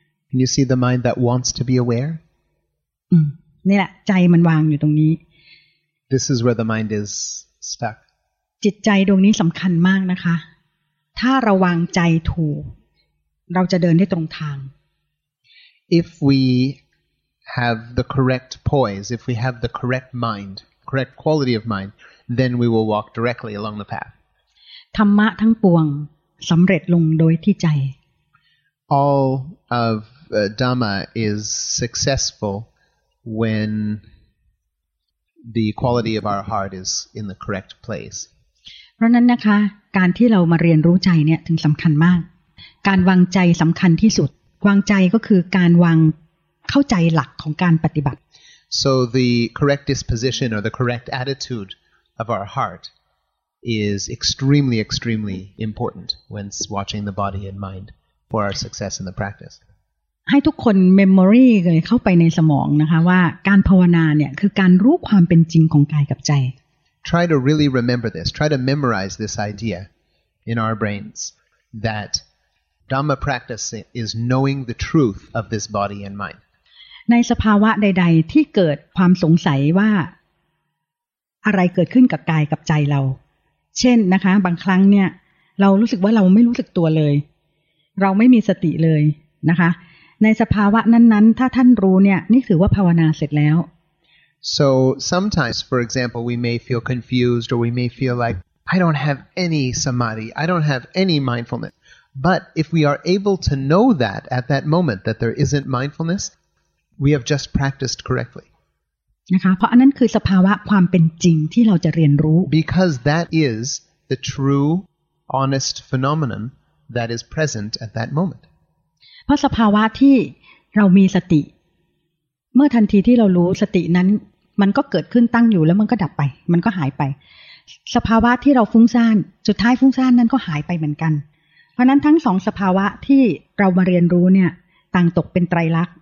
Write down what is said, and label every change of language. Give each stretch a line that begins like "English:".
English: Can you see the mind that wants to be aware?
Thai: นี่แหละใจมันวางอยู่ตรงนี้
English: This is where the mind is stuck.
Thai: จิตใจตรงนี้สำคัญมากนะคะถ้าระวังใจถูกเราจะเดินได้ตรงทาง
English: If we have the correct poise, if we have the correct mind, correct quality of mind, then we will walk directly along the path.
Thai: ธรรมะทั้งปวงสำเร็จลงโดยที่ใจ
English: All of Dhamma is successful when the quality of our heart is in the correct place.
Thai: เพราะนั้นนะคะการที่เรามาเรียนรู้ใจเนี่ยถึงสำคัญมากการวางใจสำคัญที่สุดวางใจก็คือการวางเข้าใจหลักของการปฏิบัติ
English: So the correct disposition or the correct attitude of our heart is extremely, extremely important when watching the body and mind. For our success in the practice.
Thai: ให้ทุกคน memory เลยเข้าไปในสมองนะคะว่าการภาวนาเนี่ยคือการรู้ความเป็นจริงของกายกับใจ
English: try to really remember this, try to memorize this idea in our brains that Dhamma practice is knowing the truth of this body and mind.
Thai: ในสภาวะใดๆที่เกิดความสงสัยว่าอะไรเกิดขึ้นกับกายกับใจเราเช่นนะคะบางครั้งเนี่ยเรารู้สึกว่าเราไม่รู้สึกตัวเลยเราไม่มีสติเลยนะคะในสภาวะนั้นๆถ้าท่านรู้เนี่ยนี่ถือว่าภาวนาเสร็จแล้ว
English: So sometimes for example we may feel confused or we may feel like I don't have any samadhi I don't have any mindfulness but if we are able to know that at that moment that there isn't mindfulness we have just practiced correctly
Thai: นะคะเพราะอันนั้นคือสภาวะความเป็นจริงที่เราจะเรียนรู้
English: because that is the true honest phenomenon that is present at that moment
Thai: เพราะสภาวะที่เรามีสติเมื่อทันทีที่เรารู้สตินั้นมันก็เกิดขึ้นตั้งอยู่แล้วมันก็ดับไปมันก็หายไปสภาวะที่เราฟุ้งซ่านสุดท้ายฟุ้งซ่านนั้นก็หายไปเหมือนกันเพราะนั้นทั้งสองสภาวะที่เรามาเรียนรู้เนี่ยต่างตกเป็นไตรลักษณ